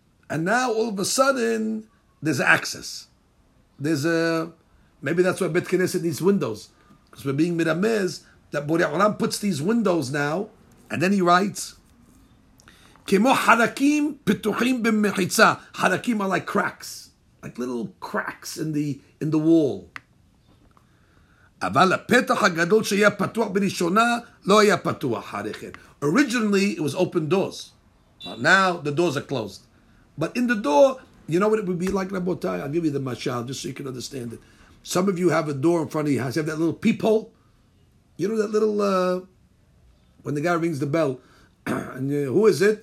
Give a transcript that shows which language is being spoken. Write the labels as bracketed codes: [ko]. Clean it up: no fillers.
[en] And now all of a sudden, there's access. Maybe that's why Bet Knesset needs windows. Because we're being miramez that Borei Olam puts these windows now. And then he writes, [he] Kemo harakim pituchim b'mechitza. [en] Harakim are like cracks. Like little cracks in the wall. [he] אבל הפתח הגדול שהיה פתוח בראשונה לא היה פתוח אחרי כן. [en] Originally, it was open doors. But now, the doors are closed. But in the door, you know what it would be like, רבותיי? I'll give you the mashal, just so you can understand it. Some of you have a door in front of your house. You have that little peephole. You know that little, when the guy rings the bell, and who is it?